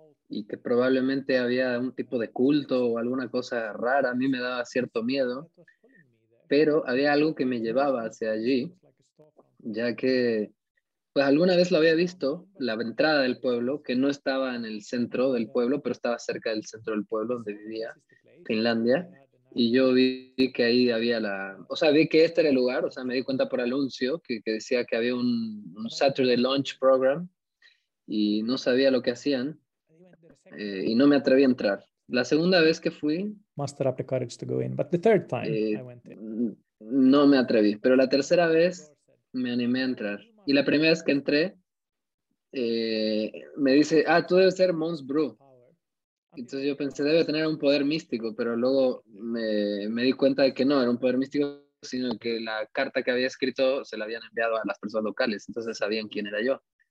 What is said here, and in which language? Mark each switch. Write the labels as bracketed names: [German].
[Spanish] y que probablemente había un tipo de culto o alguna cosa rara. A mí me daba cierto miedo, pero había algo que me llevaba hacia allí, ya que pues alguna vez lo había visto, la entrada del pueblo, que no estaba en el centro del pueblo, pero estaba cerca del centro del pueblo donde vivía, Finlandia. Y yo vi que ahí había la... O sea, vi que este era el lugar. O sea, me di cuenta por anuncio que decía que había un Saturday Lunch Program y no sabía lo que hacían y no me atreví a entrar. La segunda vez que fui... [English] Muster up the courage to go in, but the third time I went in. [Spanish] No me atreví, pero la tercera vez me animé a entrar. Y la primera vez que entré, me dice, ah, tú debes ser Mons Brew. Entonces yo pensé, debe tener un poder místico, pero luego me di cuenta de que no era un poder místico, sino que la carta que había escrito se la habían enviado a las personas locales, entonces sabían quién era yo.